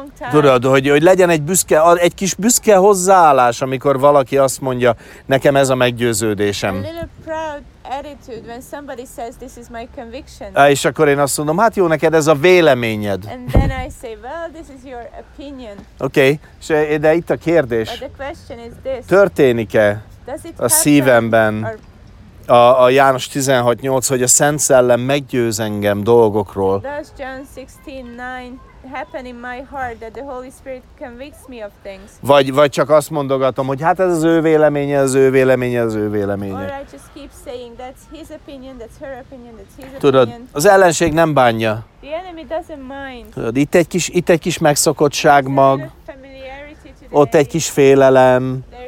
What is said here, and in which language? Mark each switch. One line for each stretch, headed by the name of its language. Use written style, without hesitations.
Hungarian: Tudod, hogy legyen egy kis büszke hozzáállás, amikor valaki azt mondja, nekem ez a meggyőződésem.
English: Attitude when somebody says this is my conviction.
Hungarian: És akkor én azt mondom, hát jó, neked ez a véleményed.
English: And then I say, well, this is your opinion.
Hungarian: Okay. De itt a kérdés.
English: But the question is this.
Hungarian: Történik-e a szívemben a János 16:8, hogy a Szent Szellem meggyőz engem dolgokról.
English: Does John 16:9 happen in my heart that the Holy Spirit convicts me of things?
Hungarian: Vagy csak azt mondogatom, hogy hát ez az ő véleménye, az ő véleménye, az ő véleménye.
English: Or I just keep saying that's his opinion, that's her opinion, that's his opinion.
Hungarian: Tudod, az ellenség nem bánja.
English: The enemy doesn't mind.
Hungarian: Tudod, itt egy kis megszokottság mag. Ott egy kis félelem.